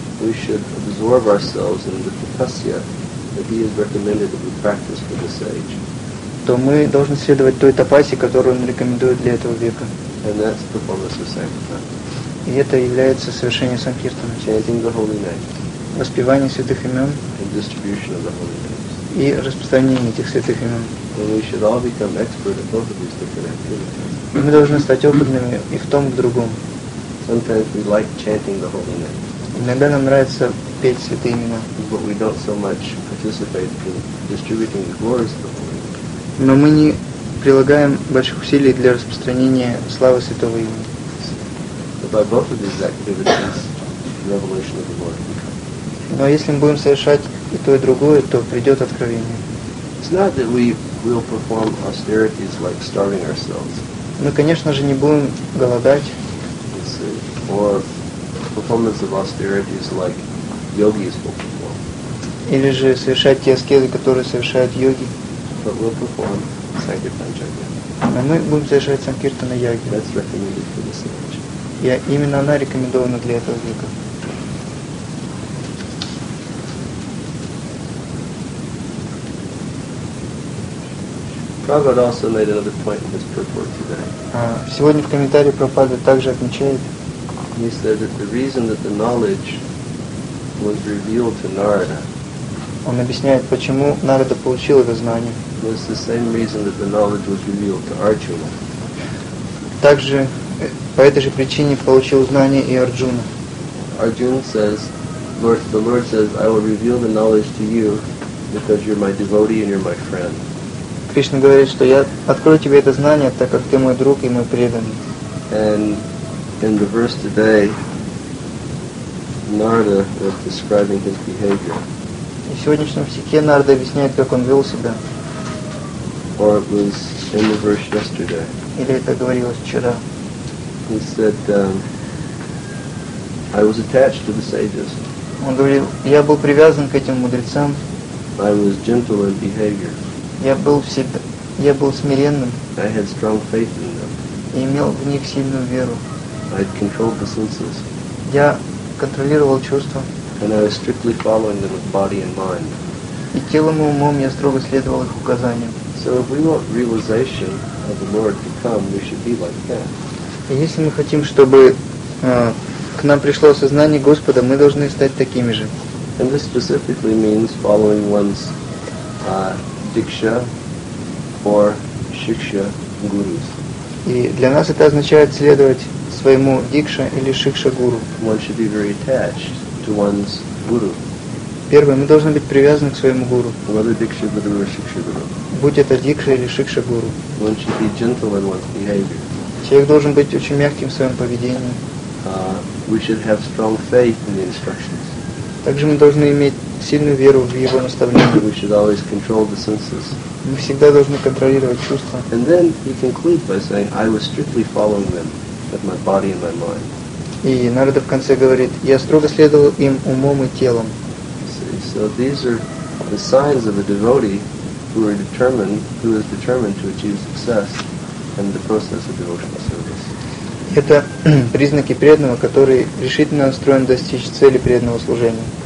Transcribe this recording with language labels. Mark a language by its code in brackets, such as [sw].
[en] we should absorb ourselves in the tapasya that he has recommended that we practice for this age. [ru] То мы должны следовать той тапасе, которую он рекомендует для этого века. [en] And that's the performance of sankirtan. [ru] И это является совершение санкиртана. [en] Chanting the holy name. [ru] Воспевание святых имен. [en] And distribution of the holy names. [ru] И распространение этих святых имен. [en] And we should all become expert at both of these different activities. [ru] И мы должны стать опытными и в том, и в другом. [en] Sometimes we like chanting the holy name. [ru] Иногда нам нравится петь святые имена. [en] But we don't so much participate in distributing the glories of the Holy Name. [ru] Но мы не прилагаем больших усилий для распространения славы святого имени. [en] But by both of these activities, revelation of the Lord will come. [ru] Но если мы будем совершать и то, и другое, то придет откровение. [en] It's not that we will perform austerities like starving ourselves. [ru] Мы, конечно же, не будем голодать. [en] Or performance of austerities like yogis will perform. [ru] Или же совершать те аскезы, которые совершают йоги. [en] But we'll perform sankirtan yagya. [ru] Но мы будем совершать санкиртана йоги. [en] That's recommended for this age. [ru] И именно она рекомендована для этого века. [en] Prabhupada also made another point in his purport today. [ru] Сегодня в комментарии Прабхупада также отмечает. [en] He said that the reason that the knowledge was revealed to Narada. [ru] Он объясняет, почему Нарада получил это знание. [en] Was the same reason that the knowledge was revealed to Arjuna. [ru] Также по этой же причине получил знание и Арджуна. [en] Arjuna says, Lord, the Lord says, I will reveal the knowledge to you because you're my devotee and you're my friend. [ru] Кришна говорит, что я открою тебе это знание, так как ты мой друг и мой преданный. [en] And in the verse today, Narada was describing his behavior. [ru] И в сегодняшнем стихе Нарда объясняет, как он вел себя. [en] Or it was in the verse yesterday. [ru] Или это говорилось вчера. [en] He said, I was attached to the sages. [ru] Он говорил, я был привязан к этим мудрецам. [en] I was gentle in behavior. [ru] Я был смиренным. [en] I had strong faith in them. [ru] И имел в них сильную веру. [en] I had controlled the senses. [ru] Я контролировал чувства. [en] And I was strictly following them with body and mind. [ru] И телом и умом я строго следовал их указаниям. [en] So if we want realization of the Lord to come, we should be like that. [ru] И если мы хотим, чтобы к нам пришло сознание Господа, мы должны стать такими же. [en] And this specifically means following one's Diksha or Shiksha Gurus. [ru] И для нас это означает следовать своему Дикша или Шикша Гуру. [en] One should be very attached to one's Guru. [ru] Первое, мы должны быть привязаны к своему Гуру. [en] Whether Diksha Guru or Shiksha Guru. [ru] Будь это Дикша или Шикша Гуру. [en] One should be gentle in one's behavior. [ru] Человек должен быть очень мягким в своем поведении. [en] We should have strong faith in the instructions. [ru] Также мы должны иметь сильную веру в его наставления. [en] We should always control the senses. [ru] Мы всегда должны контролировать чувства. [en] And then he concludes by saying, I was strictly following them with my body and my mind. [ru] И Нарада в конце говорит, я строго следовал им умом и телом. [en] So these are the signs of a devotee who is determined to achieve success in the process of devotional service. [ru] Это признаки преданного, который решительно настроен достичь цели преданного служения.